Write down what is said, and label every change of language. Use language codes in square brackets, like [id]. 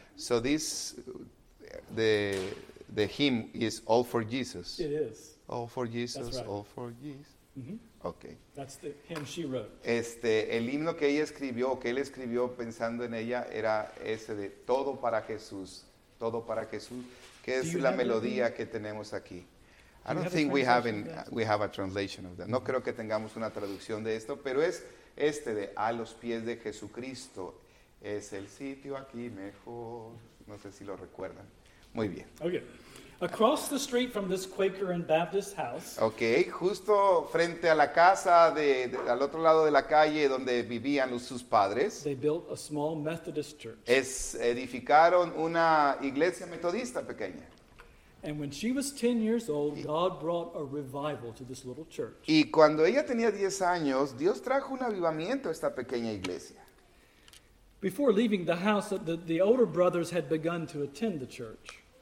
[en] So this, the hymn is All for Jesus. It is. All for Jesus, right. All for Jesus. Mm-hmm. Okay. That's the hymn she wrote. [es] El himno que ella escribió, que él escribió pensando en ella, era ese de Todo para Jesús, Todo para Jesús, que es la melodía que tenemos aquí. [en] I don't think we have a translation of that. [es] No creo que tengamos una traducción de esto, pero es este de A los pies de Jesucristo. Es el sitio aquí mejor. No sé si lo recuerdan. Muy bien. [en] Okay. Across the street from this Quaker and Baptist house. [es] Okay, justo frente a la casa de al otro lado de la calle donde vivían sus padres. [en] They built a small Methodist church. [es] Edificaron una iglesia metodista pequeña. [en] And when she was 10 years old, God brought a revival to this little church. [es] Y cuando ella tenía 10 años, Dios trajo un avivamiento a esta pequeña iglesia. [en] Before leaving the house, the older brothers had begun to attend the church.